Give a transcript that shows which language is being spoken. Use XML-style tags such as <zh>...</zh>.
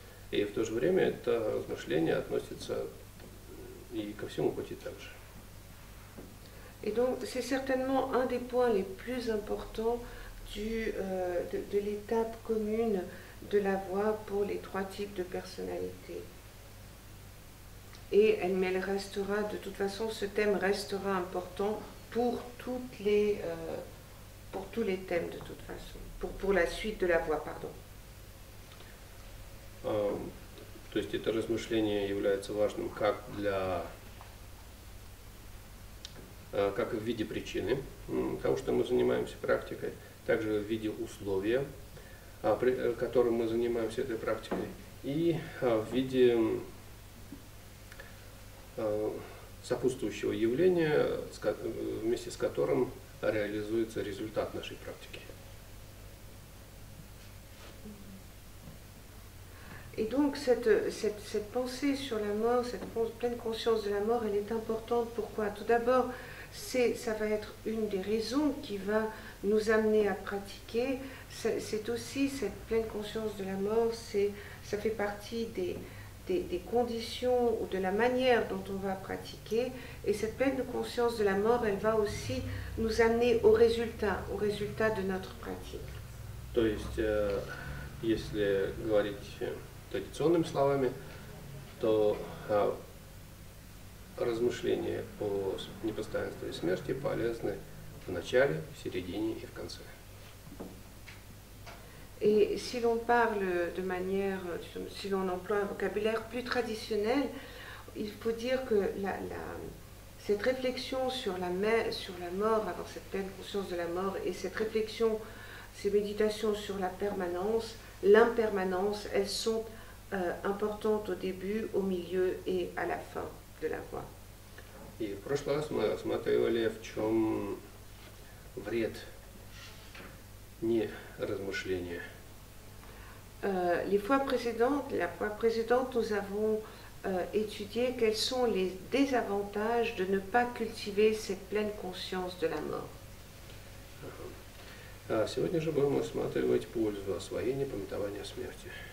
<ru>И в то же время это размышление относится и ко всему пути также.</ru> <fr>Et donc c'est certainement un des points les plus importants de l'étape commune de la voie pour les trois types de personnalité. Et elle restera, de toute façon, ce thème restera important pour toutes les pour tous les thèmes de toute façon, pour la suite de la voie, pardon.</fr> <ru>То есть это размышление является важным как для как в виде причины того, что мы занимаемся практикой, также в виде условия, при котором мы занимаемся этой практикой, и в виде сопутствующего явления, вместе с которым реализуется результат нашей практики.</ru> <fr>Et donc cette pensée sur la mort, cette pleine conscience de la mort, elle est importante. Pourquoi? Tout d'abord, ça va être une des raisons qui va nous amener à pratiquer. C'est aussi cette pleine conscience de la mort, ça fait partie des conditions ou de la manière dont on va pratiquer. Et cette pleine conscience de la mort, elle va aussi nous amener au résultat de notre pratique. Donc, si on dit</fr> <ru>традиционными словами, то размышления о непостоянстве и смерти полезны в начале, в середине и в конце.</ru> <fr>Et si l'on parle de manière, si l'on emploie un vocabulaire plus traditionnel, il faut dire que cette réflexion sur la mort, avoir cette pleine conscience de la mort, et cette réflexion, ces méditations sur la permanence, l'impermanence, elles sont importante au début, au milieu et à la fin de la voie.</fr> <ru>И в прошлый раз мы рассматривали, в чем вред не размышления.</ru> <fr>La fois précédente, nous avons étudié quels sont les désavantages de ne pas cultiver cette pleine conscience de la mort.</fr> <ru>Сегодня же будем рассматривать пользу освоения памятования смерти.</ru>